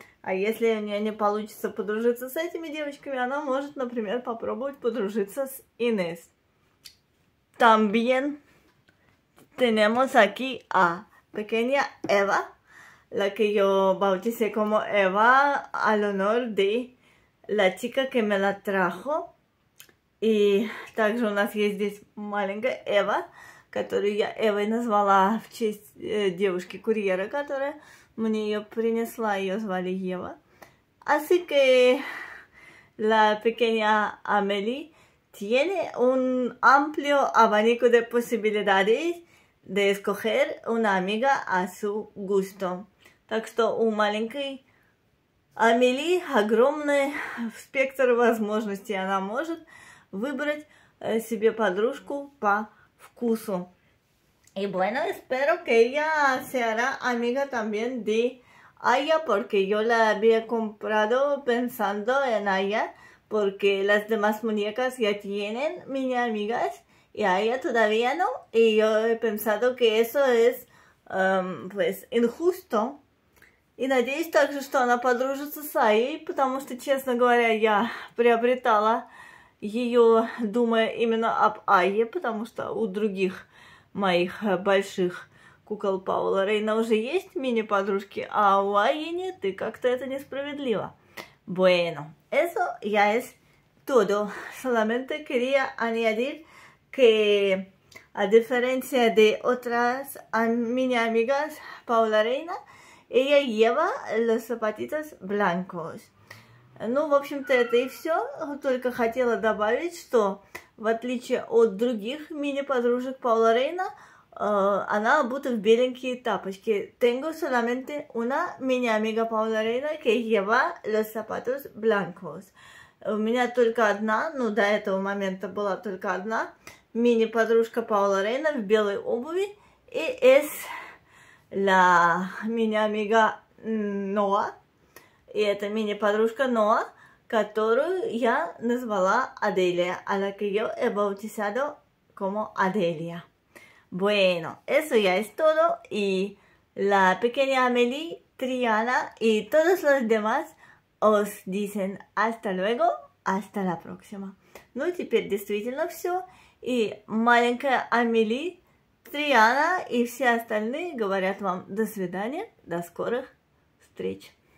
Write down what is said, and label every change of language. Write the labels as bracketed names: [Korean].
[Russian] А если у нее не получится подружиться с этими девочками, она может, например, попробовать подружиться с Инес. [Spanish] También tenemos aquí a pequeña Eva, la que yo bauticé como Eva al honor de la chica que me la trajo. [Russian] Y также у нас есть здесь маленькая Эва, которую я Эвой назвала в честь девушки-курьера, которая мне ее принесла, ее звали Ева. [Spanish] Así que la pequeña Amelie tiene un amplio abanico de posibilidades de escoger una amiga a su gusto. [Russian] Так что у маленькой Амели огромный спектр возможностей. Она может выбрать себе подружку по вкусу. [Spanish] И bueno, espero que ella se hará amiga también de allá porque yo la había comprado pensando en allá porque las demás muñecas ya tienen mini amigas y a ella todavía no. Y yo he pensado que eso es pues injusto. [Russian] И надеюсь также, что она подружится с Аей, потому что, честно говоря, я приобретала ее, думая именно об Ае, потому что у других моих больших кукол Паула Рейна уже есть мини-подружки, а у Аи нет, и как-то это несправедливо. [Spanish] Bueno, eso ya es todo. Solamente quería añadir que, a diferencia de otras mini-amigas Paula Reina, ella lleva los zapatitos blancos. [Russian] Ну, в общем-то, это и все. Только хотела добавить, что в отличие от других мини-подружек Паула Рейна, она обута в беленькие тапочки. [Spanish] Tengo solamente una mini amiga Paula Reina que lleva los zapatos blancos. [Russian] У меня только одна, ну, до этого момента была только одна мини-подружка Паула Рейна в белой обуви. [Spanish] И es la mini amiga Noa. [Russian] И это мини-подружка Ноа, которую я назвала Аделия, [Spanish] a la que yo he bautizado como Аделия. Bueno, eso ya es todo. Y la pequeña Amelie, Triana y todos los demás os dicen hasta luego, hasta la próxima. [Russian] Ну, теперь действительно все. И маленькая Амелие, Триана и все остальные говорят вам до свидания, до скорых встреч.